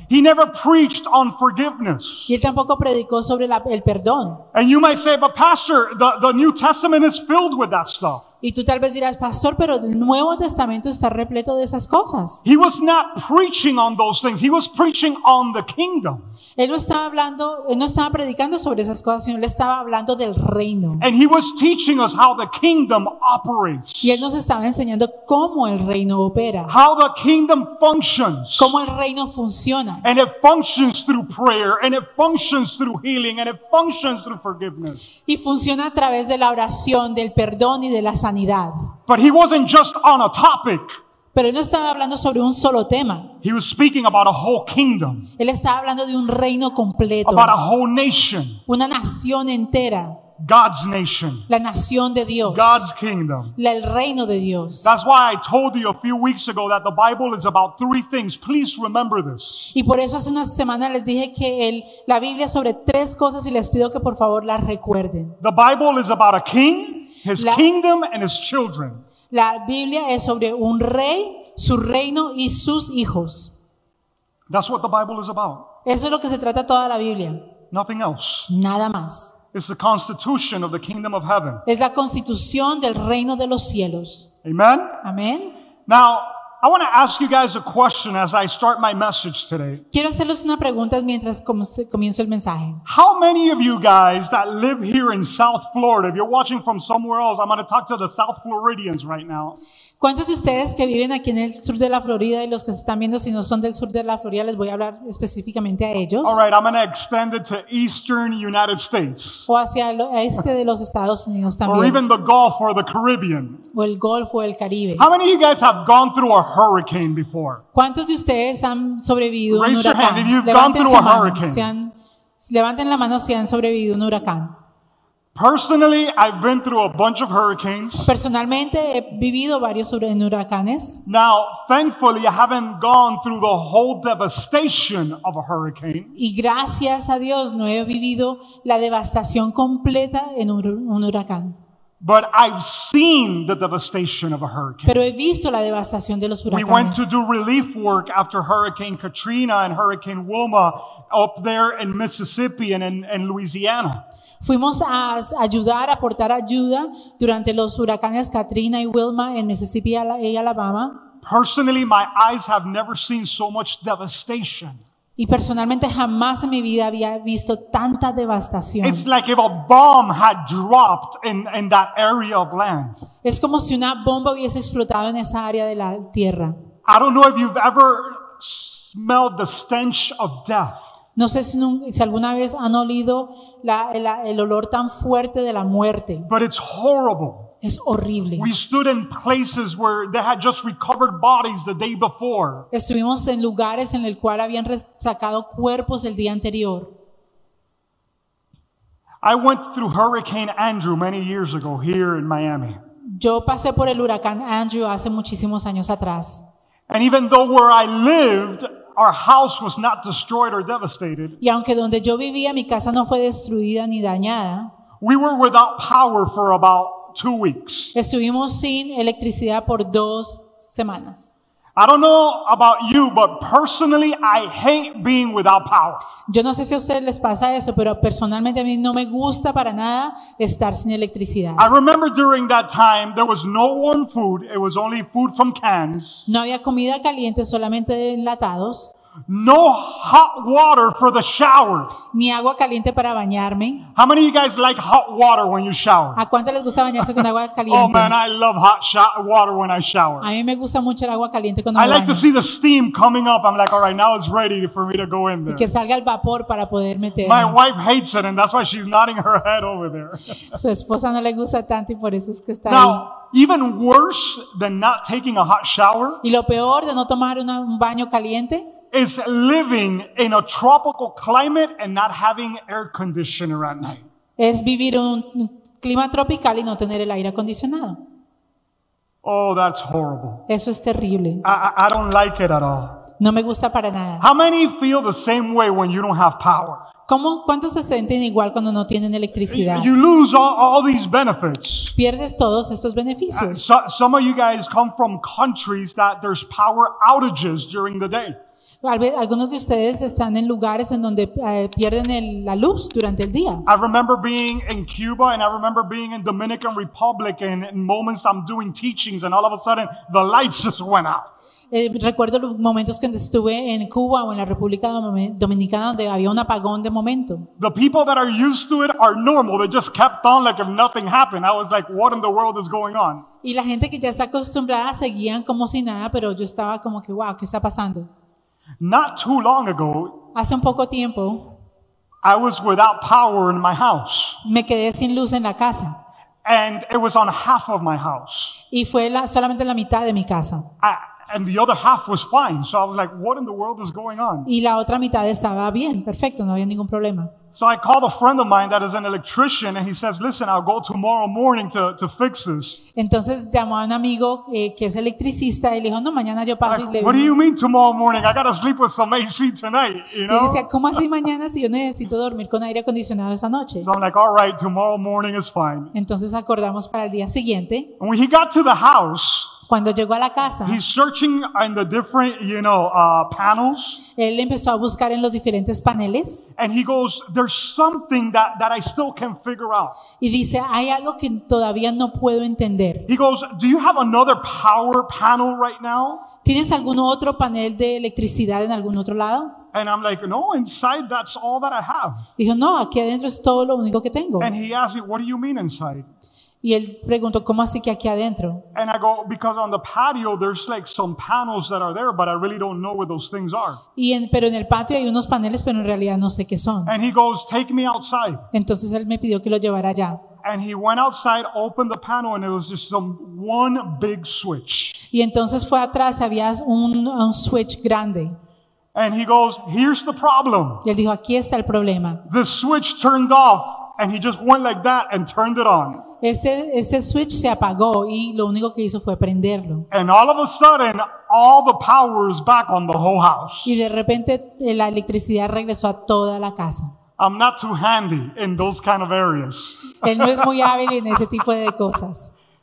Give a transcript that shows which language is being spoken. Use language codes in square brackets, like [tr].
[en] He never preached on forgiveness. [es] Y él tampoco predicó sobre el perdón. [en] And you might say, but Pastor, the New Testament is filled with that stuff. [es] Y tú tal vez dirás, Pastor, pero el Nuevo Testamento está repleto de esas cosas. [en] He was not preaching on those things. He was preaching on the kingdom. [es] Él no estaba predicando sobre esas cosas, sino él estaba hablando del reino. [en] And he was teaching us how the kingdom operates. [es] Y él nos estaba enseñando cómo el reino opera. [en] How the kingdom functions. [es] Cómo el reino funciona. [en] And it functions through prayer, and it functions through healing, and it functions through forgiveness. [es] Y funciona a través de la oración, del perdón y de la sanidad. [en] But he wasn't just on a topic. [es] Pero él no estaba hablando sobre un solo tema. [en] He was speaking about a whole kingdom. [es] Él estaba hablando de un reino completo. [en] About a whole nation. [es] Una nación entera. [en] God's nation. [es] La nación de Dios. [en] God's kingdom. [es] El reino de Dios. [en] That's why I told you a few weeks ago that the Bible is about three things. Please remember this. [es] Y por eso hace una semana les dije que la Biblia es sobre tres cosas y les pido que por favor las recuerden. [en] The Bible is about a king, his kingdom, and his children. [es] La Biblia es sobre un rey, su reino y sus hijos. [en] That's what the Bible is about. [es] Eso es lo que se trata toda la Biblia. [en] Nothing else. [es] Nada más. [en] It's the constitution of the kingdom of heaven. [es] Es la constitución del reino de los cielos. [en] Amen. [es] Amen. [en] Now, I want to ask you guys a question as I start my message today. [es] Quiero hacerles una pregunta mientras comienzo el mensaje. [en] How many of you guys that live here in South Florida, if you're watching from somewhere else, I'm going to talk to the South Floridians right now. [es] ¿Cuántos de ustedes que viven aquí en el sur de la Florida y los que se están viendo si no son del sur de la Florida, les voy a hablar específicamente a ellos? [en] All right, I'm going to extend it to eastern United States. [es] O hacia el este de los Estados Unidos también. [en] Or even the Gulf or the Caribbean. [es] O el Golfo o el Caribe. [en] How many of you guys have gone through a hurricane before? [es] ¿Cuántos de ustedes han sobrevivido a un huracán? [en] Raise your hand if you've gone through a hurricane. [es] Levanten la mano si han sobrevivido a un huracán. [en] Personally, I've been through a bunch of hurricanes. [es] Personalmente, he vivido varios huracanes. [en] Now, thankfully, I haven't gone through the whole devastation of a hurricane. [es] Y gracias a Dios, no he vivido la devastación completa en un huracán. [en] But I've seen the devastation of a hurricane. [es] Pero he visto la devastación de los huracanes. [en] We went to do relief work after Hurricane Katrina and Hurricane Wilma up there in Mississippi and in Louisiana. [es] Fuimos a ayudar, a aportar ayuda durante los huracanes Katrina y Wilma en Mississippi y Alabama. [en] Personally, my eyes have never seen so much devastation. [es] Y personalmente jamás en mi vida había visto tanta devastación. [en] It's like if a bomb had dropped in that area of land. [es] Es como si una bomba hubiese explotado en esa área de la tierra. [en] I don't know if you've ever smelled the stench of death. [es] No sé si alguna vez han olido el olor tan fuerte de la muerte. [en] But it's horrible. [es] Es horrible. [en] We stood in places where they had just recovered bodies the day before. [es] Estuvimos en lugares en el cual habían sacado cuerpos el día anterior. [en] I went through Hurricane Andrew many years ago here in Miami. [es] Yo pasé por el huracán Andrew hace muchísimos años atrás. [en] And even though where I lived, our house was not destroyed or devastated. [es] Y aunque donde yo vivía mi casa no fue destruida ni dañada. [en] We were without power for about 2 weeks. [es] Estuvimos sin electricidad por 2 semanas. [en] I don't know about you, but personally, I hate being without power. [es] Yo no sé si a ustedes les pasa eso, pero personalmente a mí no me gusta para nada estar sin electricidad. [en] I remember during that time there was no warm food; it was only food from cans. [es] No había comida caliente, solamente de enlatados. [en] No hot water for the shower. [es] Ni agua caliente para bañarme. [en] How many of you guys like hot water when you shower? [es] ¿A cuánto les gusta bañarse con agua caliente? [en] Oh man, I love hot water when I shower. [es] A mí me gusta mucho el agua caliente cuando me baño. [en] I like to see the steam coming up. I'm like, all right, now it's ready for me to go in there. [es] Y que salga el vapor para poder meterme. [en] My wife hates it, and that's why she's nodding her head over there. [es] Su esposa no le gusta tanto y por eso es que está [en] now, [es] ahí. [en] Even worse than not taking a hot shower. [es] Y lo peor de no tomar un baño caliente. [en] Is living in a tropical climate and not having air conditioner at night. [es] Es vivir un clima tropical y no tener el aire acondicionado. [en] Oh, that's horrible. [es] Eso es terrible. [en] I don't like it at all. [es] No me gusta para nada. [en] How many feel the same way when you don't have power? [es] ¿Cuántos se sienten igual cuando no tienen electricidad? [en] You lose all these benefits. [es] Pierdes todos estos beneficios. [en] Some of you guys come from countries that there's power outages during the day. [es] Algunos de ustedes están en lugares en donde pierden la luz durante el día. [en] I remember being in Cuba and I remember being in Dominican Republic and in moments I'm doing teachings and all of a sudden the lights just went out. [es] Recuerdo momentos que estuve en Cuba o en la República Dominicana donde había un apagón de momento. [en] The people that are used to it are normal. They just kept on like if nothing happened. I was like, what in the world is going on? [es] Y la gente que ya está acostumbrada seguían como si nada, pero yo estaba como que, wow, ¿qué está pasando? [en] Not too long ago, [es] hace un poco tiempo, [en] I was without power in my house. [es] Me quedé sin luz en la casa. [en] And it was on half of my house. [es] Y fue solamente la mitad de mi casa. [en] And the other half was fine. So I was like, what in the world is going on? [es] Y la otra mitad estaba bien, perfecto, no había ningún problema. [en] So I called a friend of mine that is an electrician and he says, listen, I'll go tomorrow morning to fix this. [es] Entonces llamó a un amigo que es electricista y le dijo, no, mañana yo paso [en] like, [es] y le [en] what do you mean tomorrow morning? I gotta sleep with some AC tonight, you know? [es] Y decía, ¿cómo así mañana si yo necesito dormir con aire acondicionado esa noche? [en] So I'm like, all right, tomorrow morning is fine. [es] Entonces acordamos para el día siguiente. [en] And when he got to the house, [es] cuando llegó a la casa, [en] he's searching in the different, you know, panels. [es] Él empezó a buscar en los diferentes paneles. [en] And he goes, there's something that I still can't figure out. [es] Y dice, hay algo que todavía no puedo entender. [en] He goes, do you have another power panel right now? [es] ¿Tienes algún otro panel de electricidad en algún otro lado? [en] And I'm like, no, inside that's all that I have. [es] Dijo, no, aquí adentro es todo lo único que tengo. [en] And he asked me, what do you mean inside? [es] Y él preguntó, ¿cómo así que aquí adentro? [en] And I go, because on the patio there's like some panels that are there, but I really don't know what those things are. [es] Pero en el patio hay unos paneles, pero en realidad no sé qué son. [en] And he goes, take me outside. [es] Entonces él me pidió que lo llevara allá. [en] And he went outside, opened the panel, and it was just one big switch. [es] Y entonces fue atrás, había un switch grande. [en] And he goes, here's the problem. [es] Y él dijo, aquí está el problema. [en] The switch turned off. And he just went like that and turned it on. [es] Este switch se apagó y lo único que hizo fue prenderlo. [en] And all of a sudden, all the power is back on the whole house. [es] Y de repente la electricidad regresó a toda la casa. [en] I'm not too handy in those kind of areas. [es] Él no es muy hábil en ese tipo de cosas.